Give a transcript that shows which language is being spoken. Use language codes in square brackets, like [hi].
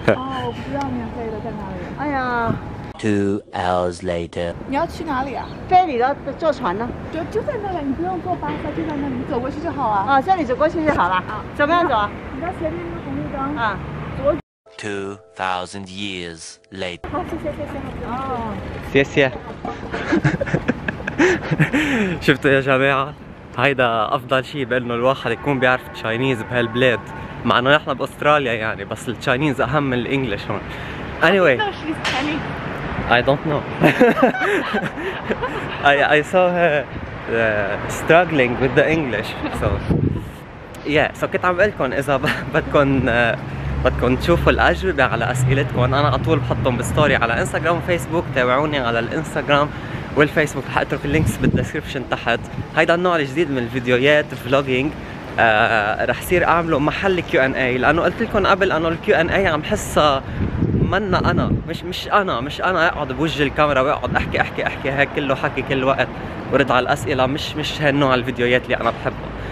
[zh] 你知道那个免费巴现在在哪里吗？哦，不知道免费的在哪里。哎呀。 [en] 2 hours later. [zh] 你要去哪里啊？ferry，坐船呢？就在那里，你不用坐巴，就在那里，你走过去就好啊。啊，这里走过去就好了。啊，怎么样走？你到前面那个红绿灯。啊。 [en] 2000 years later. [zh] 好，谢谢。哦，谢谢。 [ar] شفتوا يا جماعة؟ هيدا أفضل شيء بأنه الواحد يكون بيعرف تشاينيز بهالبلاد، مع إنه نحن بأستراليا يعني، بس التشاينيز أهم من الإنجليش هون. [en] Anyway. I don't know. I saw her struggling with the English. So yeah. [ar] So كنت عم بقلكن إذا بدكن بدكم تشوفوا الأجوبة على أسئلتكم، أنا على طول بحطهم بستوري على إنستغرام وفيسبوك. تابعوني على الإنستغرام والفيسبوك، حأترك اللينكس بالدسكريبشن تحت. هيدا النوع الجديد من الفيديوهات فلوجينج، رح صير أعمله محل كيو إن إيه، لأنه قلت لكم قبل إنه الكيو إن إيه عم حسها منا أنا، مش أنا أقعد بوجه الكاميرا وأقعد أحكي أحكي أحكي هيك كله حكي كل وقت ورد على الأسئلة، مش هالنوع الفيديوهات اللي أنا بحبها.